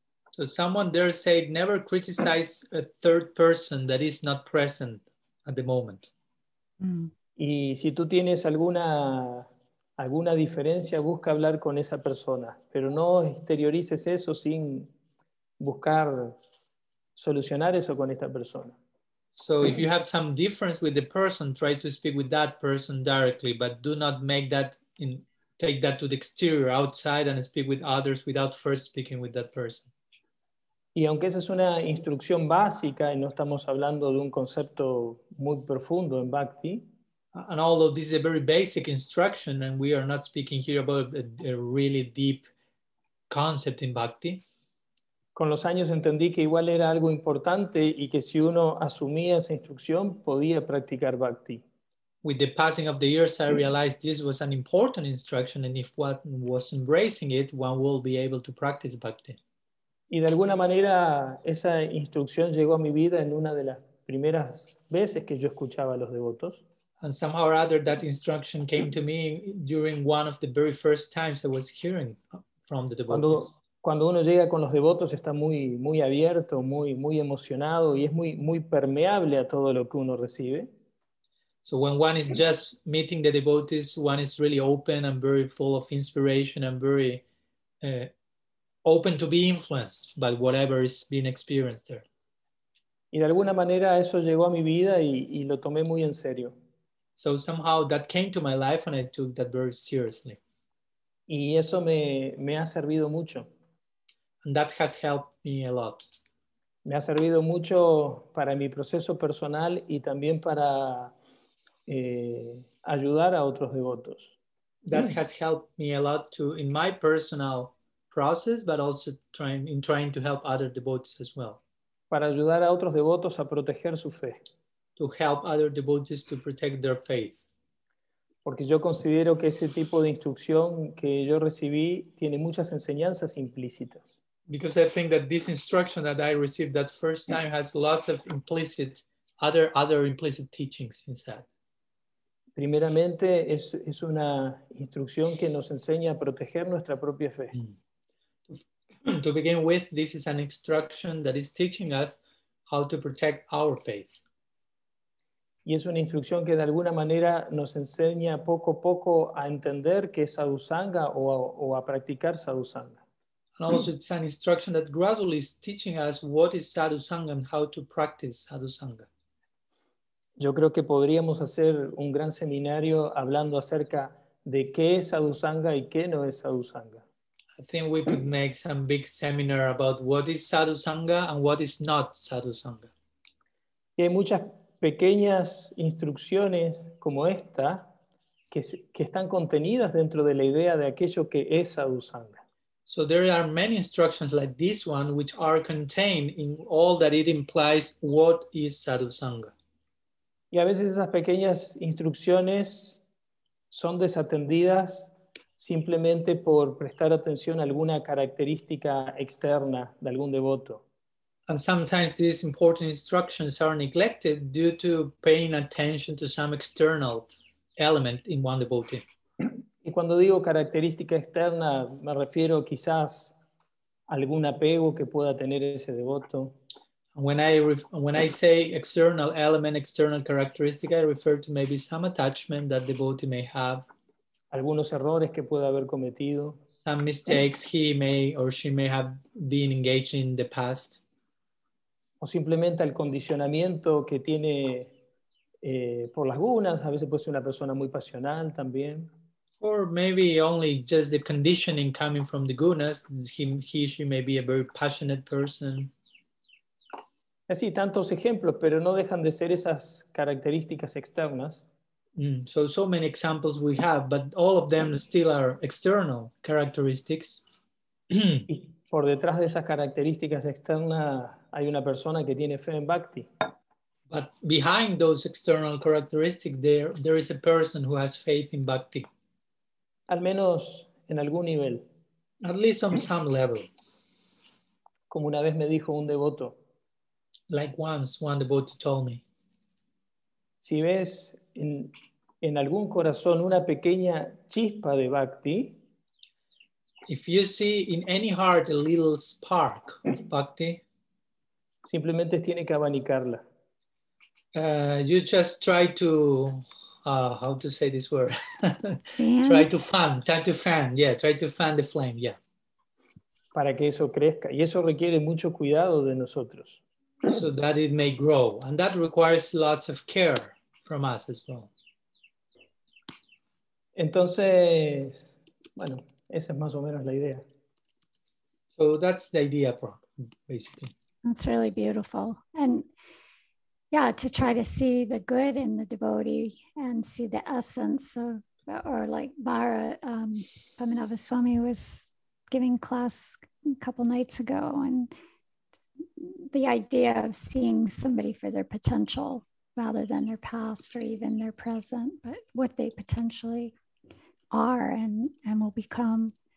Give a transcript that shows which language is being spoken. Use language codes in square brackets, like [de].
[en] So someone there said, never criticize a third person that is not present at the moment. [es] Y si tú tienes alguna diferencia, busca hablar con esa persona, pero no exteriorices eso sin buscar solucionar eso con esta persona. [en] So if you have some difference with the person, try to speak with that person directly, but do not make that in take that to the exterior, outside, and speak with others without first speaking with that person. [es] Y aunque esa es una instrucción básica y no estamos hablando de un concepto muy profundo en Bhakti, [en] And although this is a very basic instruction, and we are not speaking here about a really deep concept in bhakti. [es] con los años entendí que igual era algo importante y que si uno asumía esa instrucción podía practicar Bhakti. [en] With the passing of the years, I realized this was an important instruction, and if one was embracing it, one will be able to practice bhakti. [es] Y de alguna manera esa instrucción llegó a mi vida en una de las primeras veces que yo escuchaba a los devotos. [en] And somehow or other, that instruction came to me during one of the very first times I was hearing from the devotees. [es] Cuando uno llega con los devotos está muy, muy abierto, muy, muy emocionado y es muy, muy permeable a todo lo que uno recibe. [en] So when one is just meeting the devotees, one is really open and very full of inspiration and very open to be influenced by whatever is being experienced there. [es] Y de alguna manera eso llegó a mi vida y lo tomé muy en serio. [en] So somehow that came to my life and I took that very seriously. [es] Y eso me ha servido mucho. [en] And that has helped me a lot. [es] Me ha servido mucho para mi proceso personal y también para ayudar a otros devotos. [en] That has helped me a lot too in my personal process, but also trying to help other devotees as well. [es] Para ayudar a otros devotos a proteger su fe. [en] To help other devotees to protect their faith. [es] Porque yo considero que ese tipo de instrucción que yo recibí tiene muchas enseñanzas implícitas. [en] Because I think that this instruction that I received that first time has lots of implicit, other implicit teachings inside. [es] Primeramente, es una instrucción que nos enseña a proteger nuestra propia fe. [en] To begin with, this is an instruction that is teaching us how to protect our faith. [es] Y es una instrucción que de alguna manera nos enseña poco a poco a entender qué es sadhusanga o a practicar sadhusanga. [en] And also it's an instruction that gradually is teaching us what is sadhusanga and how to practice sadhusanga. [es] Yo creo que podríamos hacer un gran seminario hablando acerca de qué es sadhusanga y qué no es sadhusanga. [en] I think we could make some big seminar about what is sadhusanga and what is not sadhusanga. [es] Y hay muchas pequeñas instrucciones como esta que están contenidas dentro de la idea de aquello que es sadhusanga. [en] So there are many instructions like this one which are contained in all that it implies what is sadhusanga. [es] Y a veces esas pequeñas instrucciones son desatendidas simplemente por prestar atención a alguna característica externa de algún devoto. [en] And sometimes these important instructions are neglected due to paying attention to some external element in one devotee. [es] Y cuando digo característica externa, me refiero quizás a algún apego que pueda tener ese devoto. [en] When I say external element, external characteristic, I refer to maybe some attachment that the devotee may have, [es] Algunos errores que pueda haber cometido. [en] some mistakes he may or she may have been engaged in the past. [es] O simplemente el condicionamiento que tiene por lagunas, a veces puede ser una persona muy pasional también. [en] Or maybe only just the conditioning coming from the gunas, he she may be a very passionate person. [es] Así, tantos ejemplos, pero no dejan de ser esas características externas. [en] So many examples we have, but all of them still are external characteristics. [es] Y por detrás de esas características externas hay una persona que tiene fe en Bhakti. [en] But behind those external characteristics, there is a person who has faith in bhakti. [es] Al menos en algún nivel. [en] At least on some level. [es] Como una vez me dijo un devoto. [en] Like once one devotee told me. [es] Si ves en algún corazón una pequeña chispa de bhakti, [en] If you see in any heart a little spark of bhakti, [es] simplemente tiene que abanicarla. [en] you just try to how to say this word? Try to fan, try to fan, yeah, try to fan the flame, yeah. [es] Para que eso crezca. Y eso requiere mucho cuidado de nosotros. [en] So that it may grow. And that requires lots of care from us as well. Entonces, bueno, esa es más o menos la idea. So that's the idea, basically. That's really beautiful. And yeah, to try to see the good in the devotee and see the essence of, or like Bhara, Paminava Swami was giving class a couple nights ago, and the idea of seeing somebody for their potential rather than their past or even their present, but what they potentially are and will become.